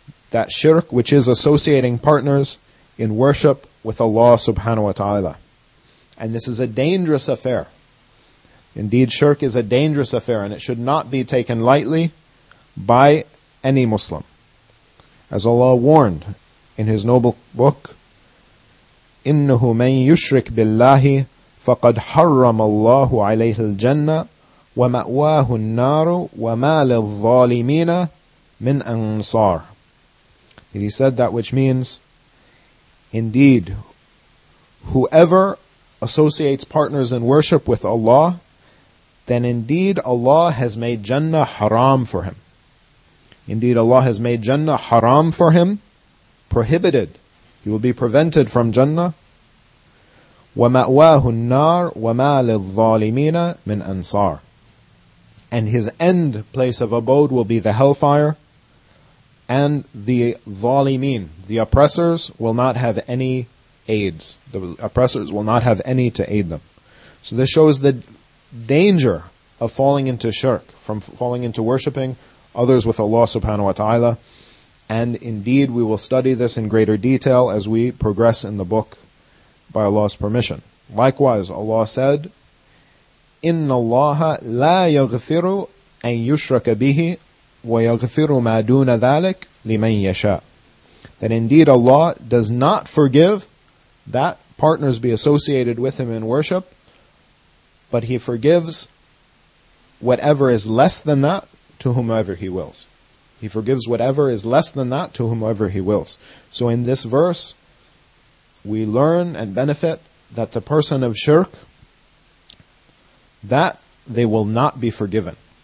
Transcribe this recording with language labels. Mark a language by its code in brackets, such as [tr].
[en] That shirk which is associating partners in worship with Allah subhanahu wa ta'ala. And this is a dangerous affair. Indeed, shirk is a dangerous affair and it should not be taken lightly by any Muslim. As Allah warned in His noble book, [ar] إِنَّهُ مَنْ يُشْرِكْ بِاللَّهِ فَقَدْ حَرَّمَ اللَّهُ عَلَيْهِ الْجَنَّةِ وَمَأْوَاهُ النَّارُ وَمَا لِلظَّالِمِينَ مِنْ أَنصَارٍ. [en] He said that which means, indeed, whoever associates partners in worship with Allah, then indeed Allah has made Jannah haram for him. Indeed Allah has made Jannah haram for him, prohibited. He will be prevented from Jannah. [ar] وَمَأْوَاهُ النَّارُ وَمَا لِلظَّالِمِينَ مِنْ أَنصَارِ. [en] And his end place of abode will be the hellfire, and the ظالمين, the oppressors, will not have any aids. The oppressors will not have any to aid them. So this shows the danger of falling into shirk, from falling into worshipping others with Allah subhanahu wa ta'ala. And indeed, we will study this in greater detail as we progress in the book by Allah's permission. Likewise, Allah said, [ar] إِنَّ اللَّهَ لَا يَغْفِرُ أَن يُشْرَكَ بِهِ وَيَغْفِرُ مَا دُونَ ذَلِكَ لِمَن يَشَاءُ. [en] That indeed Allah does not forgive that partners be associated with Him in worship, but He forgives whatever is less than that to whomever He wills. He forgives whatever is less than that to whomever He wills. So in this verse, we learn and benefit that the person of shirk, that they will not be forgiven.